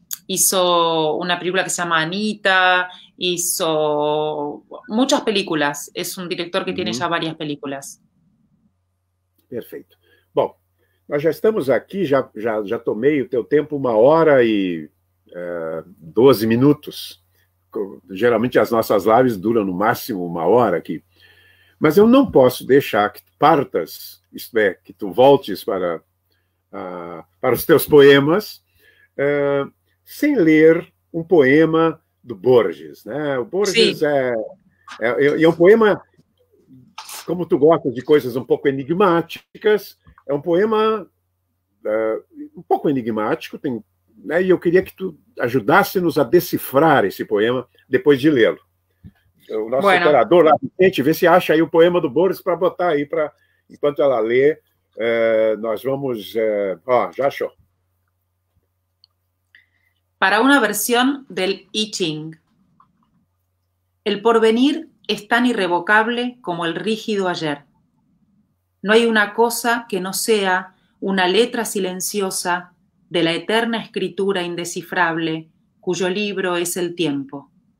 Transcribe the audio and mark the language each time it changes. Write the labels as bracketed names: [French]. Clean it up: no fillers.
[Spanish] Hizo una película que se llama Anita, hizo muchas películas. Es un director que tiene ya varias películas. [Portuguese] Perfeito. Bom, nós já estamos aqui, já tomei o teu tempo, 1 hora e 12 minutos. Geralmente as nossas lives duram no máximo 1 hora aqui. Mas eu não posso deixar que tu partas, isto é, que tu voltes para os teus poemas, sem ler um poema do Borges, né? O Borges é um poema, como tu gosta de coisas um pouco enigmáticas, é um poema um pouco enigmático, tem, né? E eu queria que tu ajudasse-nos a decifrar esse poema depois de lê-lo. O nosso operador lá, gente, vê se acha aí o poema do Borges para botar aí, para enquanto ela lê, nós vamos... ó, já achou. [Spanish] Para una versión del I Ching. El porvenir es tan irrevocable como el rígido ayer. No hay una cosa que no sea una letra silenciosa de la eterna escritura indescifrable, cuyo libro es el tiempo.